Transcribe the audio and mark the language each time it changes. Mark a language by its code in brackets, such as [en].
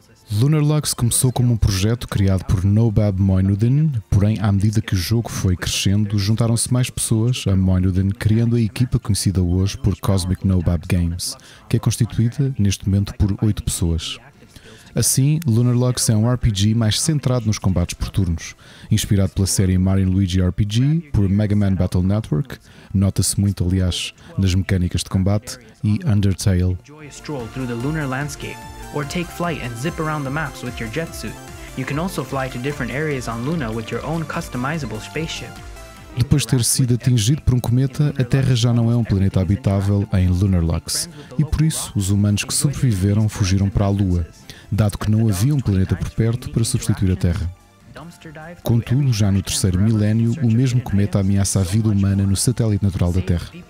[pt] Lunar Lux começou como um projeto criado por Nobab Moinuddin, porém, à medida que o jogo foi crescendo, juntaram-se mais pessoas a Moinuddin, criando a equipa conhecida hoje por Cosmic Nobab Games, que é constituída, neste momento, por 8 pessoas. Assim, Lunar Lux é um RPG mais centrado nos combates por turnos. Inspirado pela série Mario & Luigi RPG, por Mega Man Battle Network, nota-se muito, aliás, nas mecânicas de combate, e Undertale. [en] Enjoy a stroll through the lunar landscape, or take flight and zip around the maps with your jet suit. You can also fly to different areas on Luna with your own customizable spaceship. [pt] Depois de ter sido atingido por um cometa, a Terra já não é um planeta habitável em Lunar Lux, e por isso os humanos que sobreviveram fugiram para a Lua, dado que não havia um planeta por perto para substituir a Terra. Contudo, já no terceiro milénio, o mesmo cometa ameaça a vida humana no satélite natural da Terra.